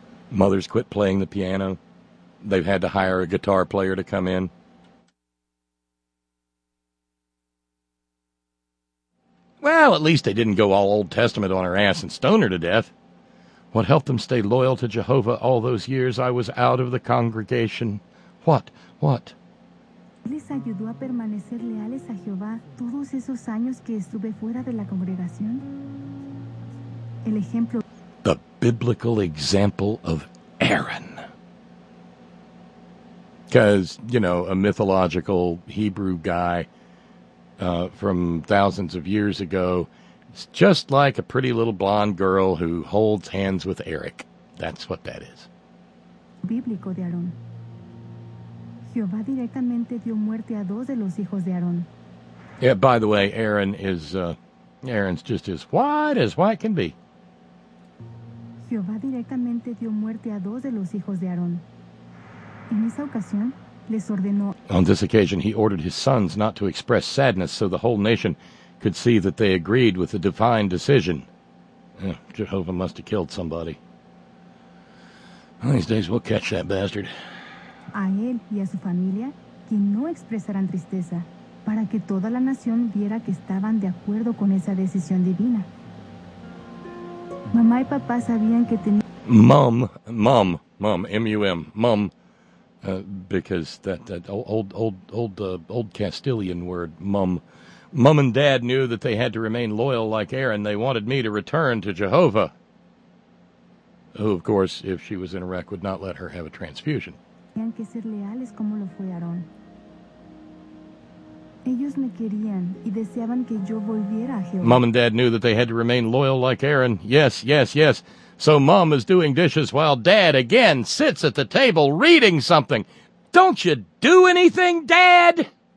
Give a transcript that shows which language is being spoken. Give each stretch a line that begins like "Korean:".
English: Mother's quit playing the piano. They've had to hire a guitar player to come in. Well, at least they didn't go all Old Testament on her ass and stone her to death. What helped them stay loyal to Jehovah all those years I was out of the congregation? What? What?
Spanish: ¿Les ayudó a permanecer leales a Jehová todos esos años que estuve fuera de la congregación? El ejemplo.
English: The biblical example of Aaron. Because, you know, a mythological Hebrew guy from thousands of years ago. It's just like a pretty little blonde girl who holds hands with Eric. That's what that is.
Spanish: Bíblico de Aarón. Jehová directamente dio muerte a dos de los hijos de Aarón.
English: Yeah, by the way, Aaron is, Aaron's just as white as white can be.
Spanish: Jehová directamente dio muerte a dos de los hijos de Aarón. En esa ocasión, les ordenó.
English: On this occasion, he ordered his sons not to express sadness so the whole nation could see that they agreed with the divine decision. Jehovah must have killed somebody. One of these days we'll catch that bastard.
Spanish: A él y a su familia, que no expresaran tristeza, para que toda la nación viera que estaban de acuerdo con esa decisión divina. Mamá y papá sabían que tenían.
English: Mum, M-U-M, mum. Because that old Castilian word, mum. Mum and Dad knew that they had to remain loyal like Aaron. They wanted me to return to Jehovah. Who, of course, if she was in Iraq, would not let her have a transfusion.
Spanish: Tenían que ser leales como lo fue Aarón. Ellos me querían y deseaban que yo volviera a Jehová.
English: Mum and Dad knew that they had to remain loyal like Aaron. Yes, yes, yes. So Mum is doing dishes while Dad again sits at the table reading something. Don't you do anything, Dad?